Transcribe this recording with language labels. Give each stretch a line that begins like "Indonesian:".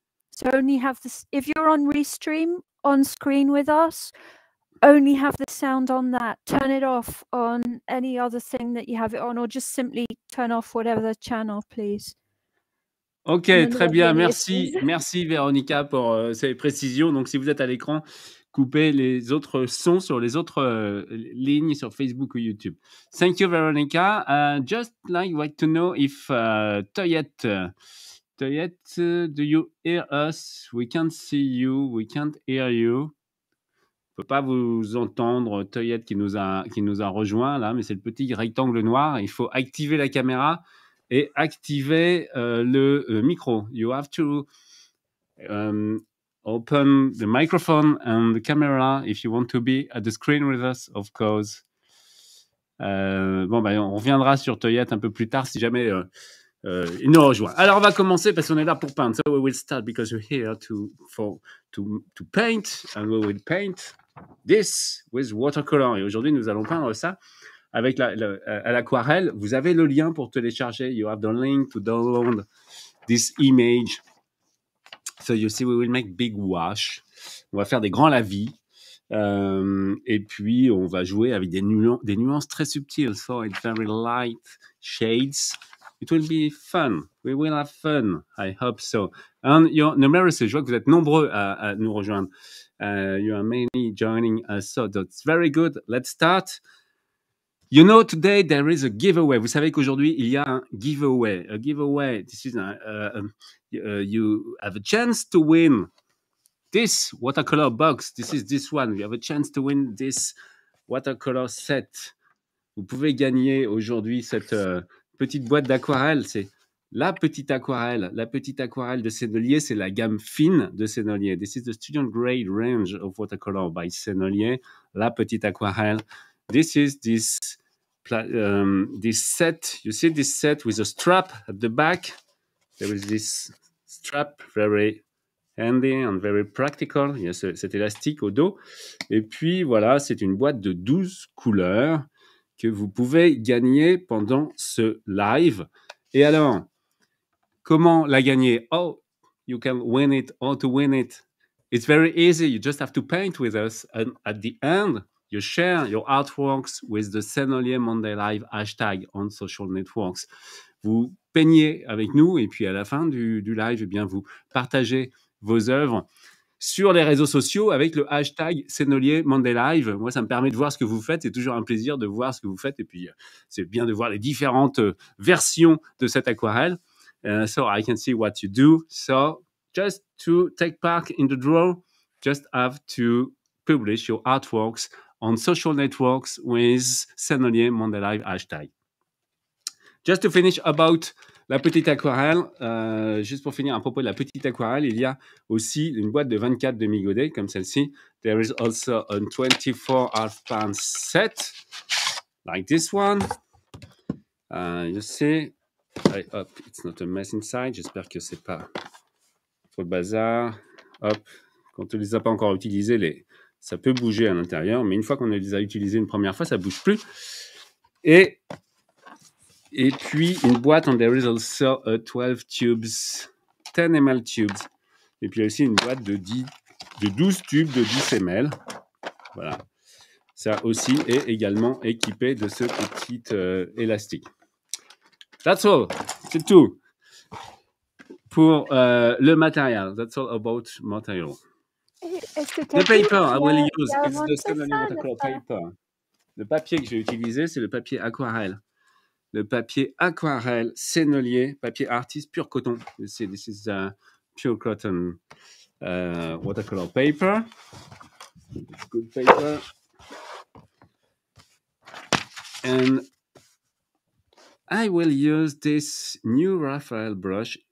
English: So only have this, if you're on restream on screen with us, only have the sound on that. Turn it off on any other thing that you have it on, or just simply turn off whatever the channel, please.
French: Ok, très bien. Merci Véronica pour ces précisions. Donc, si vous êtes à l'écran, coupez les autres sons sur les autres lignes sur Facebook ou YouTube.
English: Thank you, Véronica. Just like to know if Toyette, do you hear us? We can't see you. We can't hear you.
French: On ne peut pas vous entendre, Toyette, qui nous a rejoint là, mais c'est le petit rectangle noir. Il faut activer la caméra. Et activer le micro.
English: You have to open the microphone and the camera if you want to be at the screen with us, of course.
French: On reviendra sur Toyette un peu plus tard si jamais il nous rejoint. Alors, on va commencer parce qu'on est là pour peindre.
English: So, we will start because we're here to paint. And we will paint this with watercolor.
French: Et aujourd'hui, nous allons peindre ça. Avec l'aquarelle, vous avez le lien pour télécharger.
English: You have the link to download this image. So you see, we will make big wash.
French: On va faire des grands lavis. Et puis, on va jouer avec des nuances très subtiles.
English: So it's very light shades. It will be fun. We will have fun. I hope so. And your numerous,
French: je vois que vous êtes nombreux à nous rejoindre.
English: You are many joining us. So that's very good. Let's start. You know, today there is a giveaway.
French: Vous savez qu'aujourd'hui, il y a un giveaway.
English: A giveaway. This is you have a chance to win this watercolor box. This is this one. You have a chance to win this watercolor set.
French: Vous pouvez gagner aujourd'hui cette petite boîte d'aquarelle. C'est la petite aquarelle. La petite aquarelle de Sennelier, c'est la gamme fine de Sennelier.
English: This is the student grade range of watercolor by Sennelier. La petite aquarelle. This is this set. You see this set with a strap at the back. There is this strap, very handy and very practical.
French: Il y a cet élastique au dos. Et puis, voilà, c'est une boîte de 12 couleurs que vous pouvez gagner pendant ce live. Et alors, comment la gagner?
English: Oh, you can win it, how to win it. It's very easy. You just have to paint with us. And at the end, you share your artworks with the Sennelier Monday Live hashtag on social networks.
French: Vous peignez avec nous et puis à la fin du live, eh bien, vous partagez vos œuvres sur les réseaux sociaux avec le hashtag Sennelier Monday Live. Moi, ça me permet de voir ce que vous faites. C'est toujours un plaisir de voir ce que vous faites. Et puis, c'est bien de voir les différentes versions de cette aquarelle.
English: So I can see what you do. So just to take part in the draw, just have to publish your artworks on social networks with Sennelier Monday Live hashtag. Just to finish about
French: la petite aquarelle, juste pour finir à propos de la petite aquarelle, il y a aussi une boîte de 24 demi-godets comme celle-ci.
English: There is also a 24 half-pan set like this one. You see, hop, it's not a mess inside.
French: J'espère que c'est pas trop le bazar. Hop, quand on les a pas encore utilisés, ça peut bouger à l'intérieur, mais une fois qu'on les a utilisés une première fois, ça bouge plus. Et puis, une boîte,
English: and there is also a 12 tubes, 10 ml tubes.
French: Et puis, il y a aussi une boîte de 12 tubes de 10 ml. Voilà. Ça aussi est également équipé de ce petit élastique.
English: That's all.
French: C'est tout. Pour le matériel.
English: That's all about material. The paper I will use is the Sennelier watercolor paper.
French: Le papier que j'ai utilisé, c'est le papier aquarelle. Le papier aquarelle Sennelier, papier artiste pur coton.
English: You see, this is a pure cotton watercolor paper. Good paper. And I will use this new Raphael brush.